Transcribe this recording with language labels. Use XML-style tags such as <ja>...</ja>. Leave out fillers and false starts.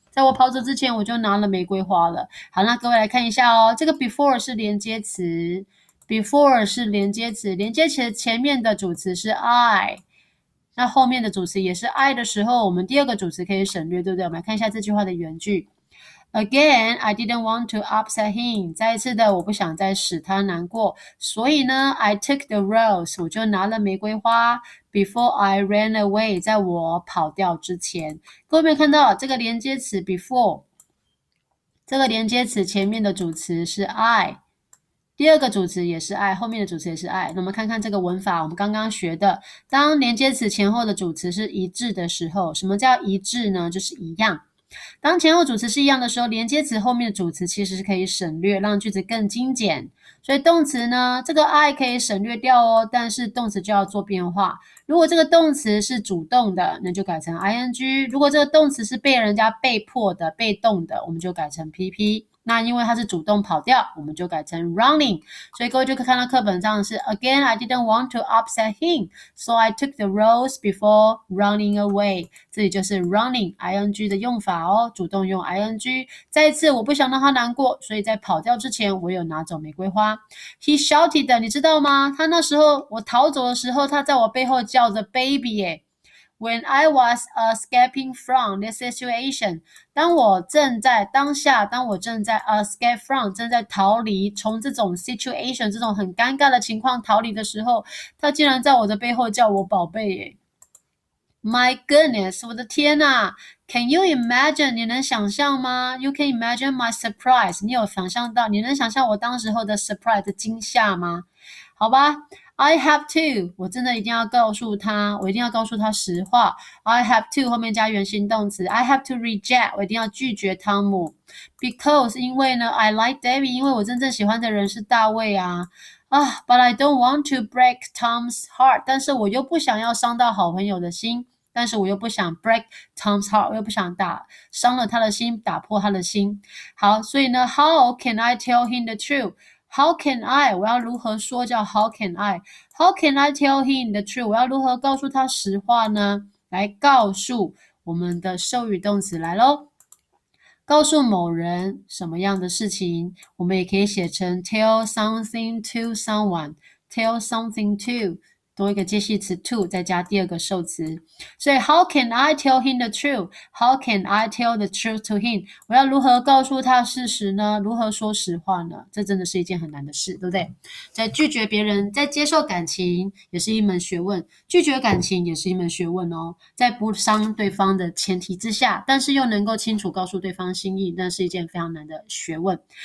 <zh>在我跑走之前，我就拿了玫瑰花了。好，那各位来看一下哦，这个 before 是连接词，before 是连接词，连接词前面的主词是 I，那后面的主词也是 I 的时候，我们第二个主词可以省略，对不对？我们来看一下这句话的原句。</zh> <en>Again, I didn't want to upset him。</en> <zh>再一次的，我不想再使他难过。所以呢，</zh> <en>I took the rose，</en> <zh>我就拿了玫瑰花。</zh> <en>Before I ran away，</en> <zh>在我跑掉之前，各位没有看到这个连接词 before？这个连接词前面的主词是 I，第二个主词也是 I，后面的主词也是 I。那我们看看这个文法，我们刚刚学的，当连接词前后的主词是一致的时候，什么叫一致呢？就是一样。当前后主词是一样的时候，连接词后面的主词其实是可以省略，让句子更精简。所以动词呢，这个 I 可以省略掉哦，但是动词就要做变化。如果这个动词是主动的，那就改成 ing；如果这个动词是被人家被迫的、被动的，我们就改成 PP。那因为它是主动跑掉，我们就改成 running。所以各位就可以看到课本上是</zh> <en>Again, I didn't want to upset him, so I took the rose before running away。</en> <zh>这里就是 running ing 的用法哦，主动用 ing。再一次，我不想让他难过，所以在跑掉之前，我有拿走玫瑰花。 He shouted, 你知道吗？他那时候我逃走的时候，他在我背后叫着 baby 耶。</zh> <en>When I was escaping from this situation，</en> <zh>当我正在 escape from，正在逃离从这种 situation 这种很尴尬的情况逃离的时候，他竟然在我的背后叫我宝贝耶。</zh> <en>My goodness，</en> <zh>我的天呐！</zh> <en>Can you imagine？</en> <zh>你能想象吗？</zh> <en>You can imagine my surprise。</en> <zh>你有想象到？你能想象我当时候的 surprise 的惊吓吗？好吧。 I have to，我真的一定要告诉他，我一定要告诉他实话。 I have to 后面加原形动词，I have to reject，我一定要拒绝汤姆，because 因为呢，I like David，因为我真正喜欢的人是大卫啊。啊，</zh> <en>but I don't want to break Tom's heart，</en> <zh>但是我又不想要伤到好朋友的心，但是我又不想 break Tom's heart，我又不想打伤了他的心，打破他的心。</zh> <en>好，所以呢，How can I tell him the truth？ How can I？</en> <zh>我要如何说叫 How can I？</zh> <en>How can I tell him the truth？</en> <zh>我要如何告诉他实话呢？来告诉我们的授予动词来喽，告诉某人什么样的事情，我们也可以写成 tell something to someone，tell something to，多一个介系词 to，再加第二个受词。</zh> <en>所以 how can I tell him the truth? How can I tell the truth to him?</en> <zh>我要如何告诉他事实呢？如何说实话呢？这真的是一件很难的事，对不对？在拒绝别人，在接受感情也是一门学问，拒绝感情也是一门学问哦。在不伤对方的前提之下，但是又能够清楚告诉对方心意，那是一件非常难的学问。</zh>